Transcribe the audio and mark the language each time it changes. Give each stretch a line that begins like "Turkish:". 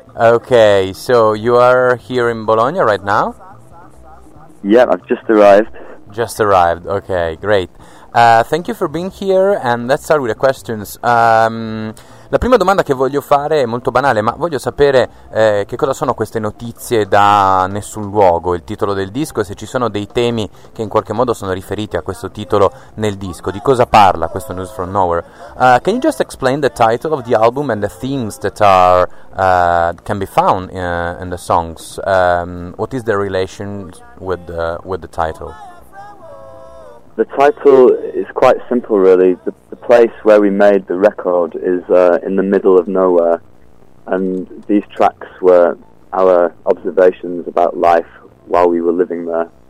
English: Okay, so you are here in Bologna right now? Yeah, I've just arrived. Just arrived, okay, great. Thank you for being here, and let's start with the questions.
Italian: La prima domanda che voglio fare è molto banale, ma voglio sapere che cosa sono queste notizie da nessun luogo, il titolo del disco, e se ci sono dei temi che in qualche modo sono riferiti a questo titolo nel disco. Di cosa parla questo News from Nowhere?
English: Can you just explain the title of the album and the themes that are can be found in the songs? What is the relation with the title? The title is quite simple, really. The place where we made the record is in the middle of nowhere, and these tracks were our observations about life while we were living there.